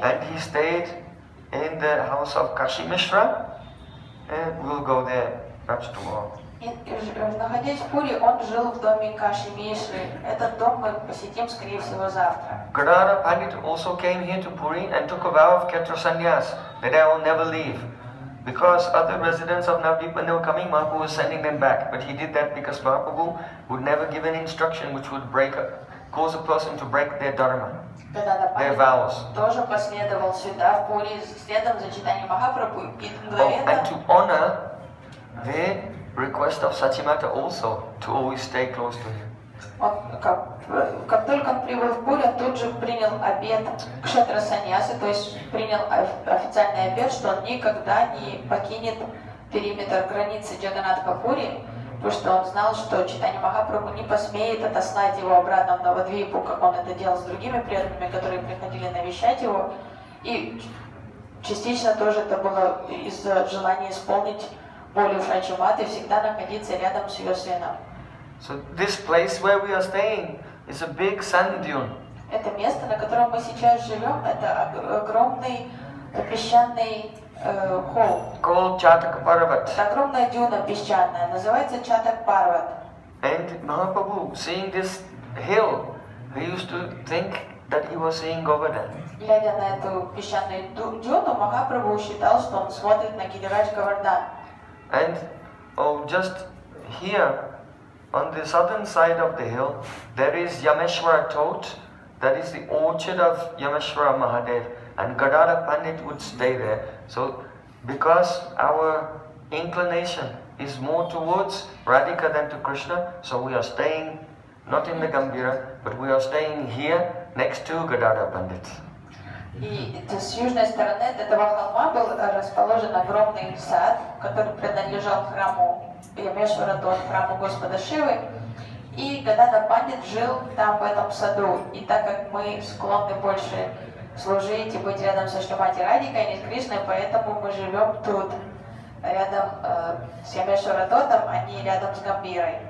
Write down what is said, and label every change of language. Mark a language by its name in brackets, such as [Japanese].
[English] And he stayed in the house of Kashi Mishra. We'll go there perhaps tomorrow. [Russian] Находясь в Пури, он жил в доме Каши Мишры. Этот дом мы посетим, скорее всего, завтра. [English] Gadara Pandit also came here to Puri and took a vow of Khetra Sanyas that I will never leave. Because other residents of Navdeep, when they were coming, Mahaprabhu was sending them back. But he did that because Mahaprabhu would never give an instruction which would break up, cause a person to break their dharma, their vows. [Russian] Тоже последовал сюда, в Пури, следом за читанием Махапрабху, и мгновенно... [English] And to honor the request of Sachimata also, to always stay close to him. [Russian] Как только он прибыл в Пури, тут же принял обет кшетра саньясы, то есть принял официальный обет, что он никогда не покинет периметр границы Джаганатхапури, потому что он знал, что Чайтанья Махапрабху не посмеет отослать его обратно в Навадвипу, как он это делал с другими преданными, которые приходили навещать его. И частично тоже это было из-за желания исполнить волю Шачиматы, всегда находиться рядом с ее сыном. [English] So this place where we are staying is a big sand dune. [Russian] Это место, на котором мы сейчас живем, это огромный песчаный холм. [English] Called Chatak Parvat. [Russian] Это огромная дюна песчаная, называется Chatak Parvat. [English] And Mahaprabhu, seeing this hill, he used to think that he was seeing Govardhan. [Russian] Глядя на эту песчаную дюну, Махапрабху считал, что он смотрит на Гидираж Говардан. [English] And just here, on the southern side of the hill, there is Yameshwara Tot, that is the orchard of Yameshwara Mahadev, and Gadara Pandit would stay there. So, because our inclination is more towards Radhika than to Krishna, so we are staying not in the Gambira, but we are staying here next to Gadara Pandit. [Russian] И это, с южной стороны от этого холма был расположен огромный сад, который принадлежал храму Ямешвара Тот, храму Господа Шивы. И Гадана Пандит жил там, в этом саду. И так как мы склонны больше служить и быть рядом со Шримати Радикой, а не с Кришной, поэтому мы живем тут, рядом с Ямешвара Тотом, а не рядом с Гамбирой.